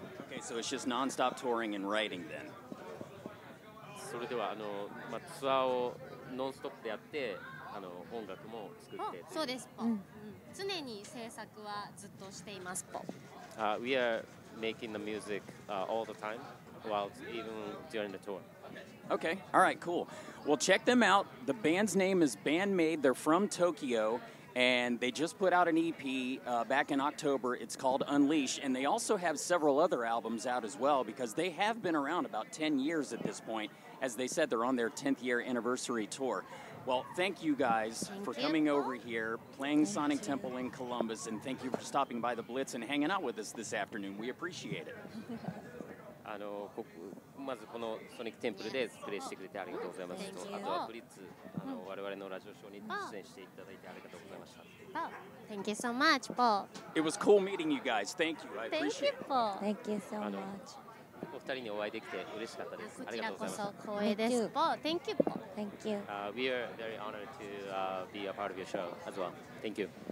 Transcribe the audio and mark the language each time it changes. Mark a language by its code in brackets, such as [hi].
[en] Okay, so it's just non-stop touring and writing then. [ja] それではあの、まあ、ツアーをノンストップでやってあの音楽も作ってそうですポ、うん、常に制作はずっとしていますポ、 [en] We are making the music all the time while even during the tour. Okay, all right, cool. Well, check them out. The band's name is Band-maid. They're from Tokyo and they just put out an EP back in October. It's called Unleash, and they also have several other albums out as well because they have been around about 10 years at this point. As they said, they're on their 10th year anniversary tour. Well, thank you guys for coming over here, playing Sonic Temple in Columbus, and thank you for stopping by the Blitz and hanging out with us this afternoon. We appreciate it. [ja] あの、ここ、まずこのソニックテンプルでプレイしてくれてありがとうございますと、あとはブリッツ、あの、我々のラジオショーに出演していただいてありがとうございました。 [en] Thank you so much, Paul. It was cool meeting you guys. Thank you. I appreciate it. Thank you, Paul. Thank you so much. [ja] お二人にお会いできて嬉しかったです。ありがとうございます。こちらこそ光栄です。 [en] Thank you. Thank you. We are very honored to be a part of your show as well. Thank you.